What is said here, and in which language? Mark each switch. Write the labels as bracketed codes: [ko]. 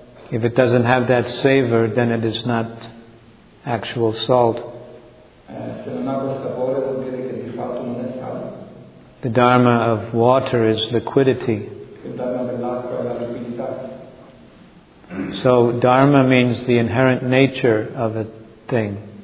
[en] If it doesn't have that savor, then it is not actual salt. [it] Se non ha quel sapore, vuol dire che di fatto non è sale. [en] The dharma of water is liquidity. [it] Il dharma dell'acqua è la liquidità. [en] So dharma means the inherent nature of a thing.